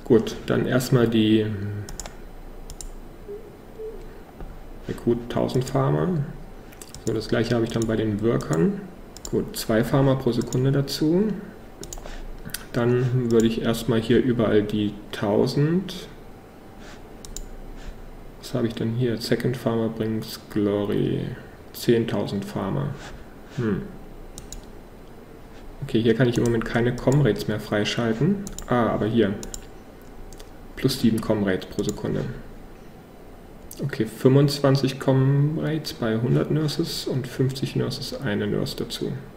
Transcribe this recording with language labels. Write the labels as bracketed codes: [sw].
[de] Gut, dann erstmal die gut 1000 Farmer. So, das gleiche habe ich dann bei den Workern. Gut, 2 Farmer pro Sekunde dazu. Dann würde ich erstmal hier überall die 1000. Was habe ich denn hier? [en] Second Farmer brings Glory. [de] 10.000 Farmer. Okay, hier kann ich im Moment keine Comrades mehr freischalten. Ah, aber hier. Plus 7 Comrades pro Sekunde. Okay, 25 Comrades bei 100 Nurses und 50 Nurses, eine Nurse dazu.